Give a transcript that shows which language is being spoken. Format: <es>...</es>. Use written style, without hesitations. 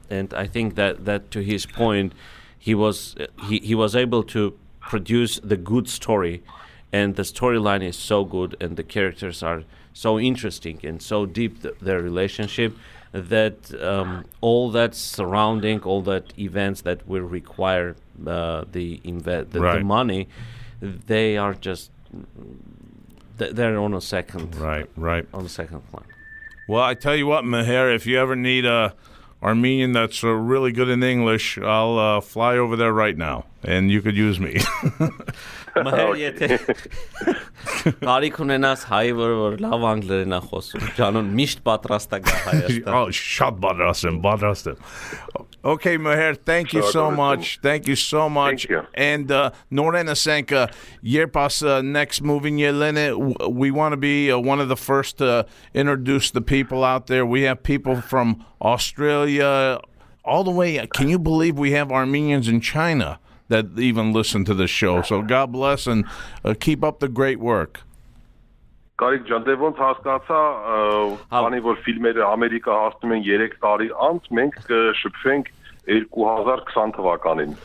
<en>And I think that to his point, he was able to produce the good story, and the storyline is so good, and the characters are so interesting and so deep, their relationship, that all that surrounding, all that events that will require the money, they are just, they're on a second. Right. On a second plan. Well, I tell you what, Mher, if you ever need a Armenian that's really good in English, I'll fly over there right now, and you could use me.</en> <hy>Մհեր եթե կարիք ունենաս հայերը որ լավ անգլերենա խոսում, ջանոն միշտ պատրաստ եք Հայաստան։ Շատ պատրաստ եմ, պատրաստ եմ։</hy> <en>Okay, Mher, thank you so much. Thank you so much. Thank you. And Norena Senka, Yerpas next moving Yelene, we want to be one of the first to introduce the people out there. We have people from Australia, all the way. Can you believe we have Armenians in China that even listen to the show? So God bless and keep up the great work.</en> <hy>Կարիք ջան, դե ոնց հասկացա, քանի որ ֆիլմերը Ամերիկա հասնում են 3 տարի անց, մենք կշփվենք 2020 թվականին։</hy>